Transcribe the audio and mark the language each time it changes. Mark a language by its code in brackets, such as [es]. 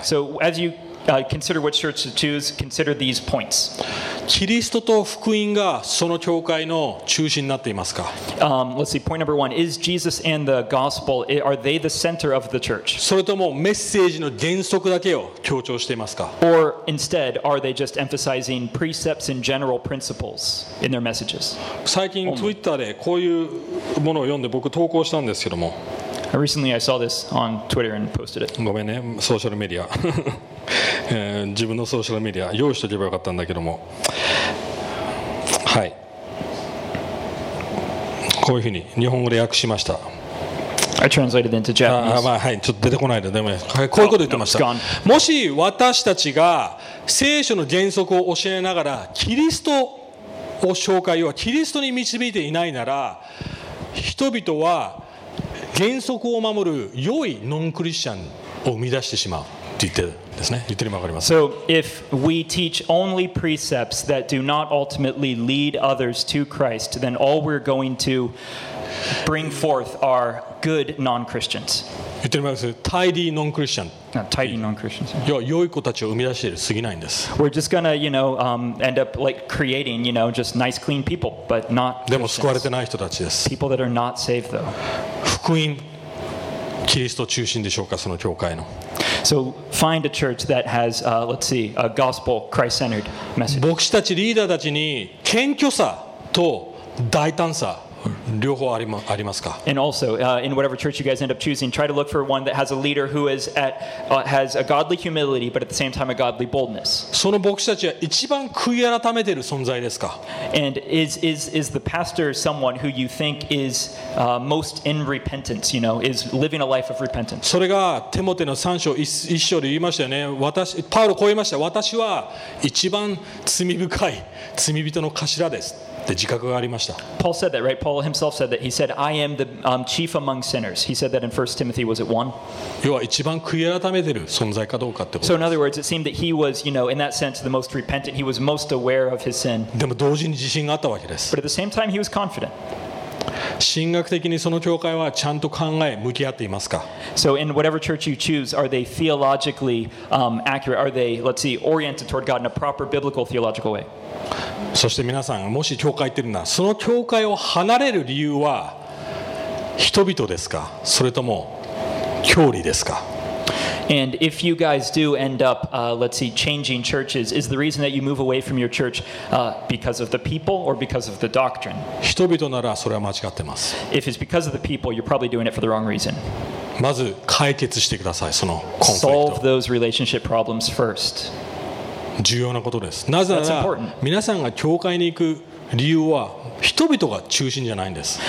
[en] So as youconsider which church to choose, consider these points. [ja] キリストと福音がその教会の中心になっていますか? [en] Let's see, point number one, is Jesus and the gospel, are they the center of the church? [ja] それともメッセージの原則だけを強調していますか? [en] Or instead, are they just emphasizing precepts and general principles in their messages? [ja] 最近 Twitter でこういうものを読んで僕投稿したんですけども。 [en] Recently, I saw this on Twitter and posted it. [ja] ごめんね、ソーシャルメディア。自分のソーシャルメディア用意しておけばよかったんだけども、はい、こういうふうに日本語で訳しました。 [en] I translated into Japanese. [ja] まあ、はい、ちょっと出てこないで、でも、はい、こういうこと言ってました。 [en] no, [ja] もし私たちが聖書の原則を教えながらキリストを紹介、要はキリストに導いていないなら、人々は原則を守る良いノンクリスチャンを生み出してしまうって言ってる。 [en] So if we teach only precepts that do not ultimately lead others to Christ, then all we're going to bring forth are good non-Christians. [ja] 言ってみます。 [en] Tidy non-Christian. Tidy non-Christians. [ja] 良い子たちを生み出している過ぎないんです。 [en] We're just gonna, you know, end up like creating, you know, just nice, clean people, but not. [ja] でも救われてない人たちです。 [en] People that are not saved, though. [ja] 福音、キリスト中心でしょうか、その教会の。 [en] So find a church that has, let's see, a gospel, Christ-centered message. [ja] 牧師たち、リーダーたちに謙虚さと大胆さ、両方ありますか? [en] And also, in whatever church you guys end up choosing, try to look for one that has a leader who is at, has a godly humility, but at the same time a godly boldness. [ja] その牧師たちは一番悔い改めている存在ですか? [en] And is the pastor someone who you think is most in repentance, you know, is living a life of repentance? [ja] それがテモテの3章1章で言いましたよね。私、パウロこう言いました。私は一番罪深い罪人の頭です。 [en] Paul said that, right? Paul himself said that. He said, I am the chief among sinners. He said that in 1 Timothy, was it 1? [ja] 要は一番悔い改めてる存在かどうかってこと。 [en] So in other words, it seemed that he was, you know, in that sense, the most repentant. He was most aware of his sin. [ja] でも同時に自信があったわけです。 [en] But at the same time, he was confident. [ja] 神学的にその教会はちゃんと考え向き合っていますか? [en] So in whatever church you choose, are they theologically accurate? Are they, let's see, oriented toward God in a proper biblical theological way? [ja] そして皆さん、もし教会行ってるなら、その教会を離れる理由は人々ですか、それとも教理ですか。 [en] And if you guys do end up, changing churches, is the reason that you move away from your church because of the people or because of the doctrine? [ja] 人々ならそれは間違ってます。 [en] If it's because of the people, you're probably doing it for the wrong reason. [ja] まず解決してください、そのコンフリクト。 [en] Solve those relationship problems first. [ja] 重要なことです。なぜなら、皆さんが教会に行く理由は人々が中心じゃないんです。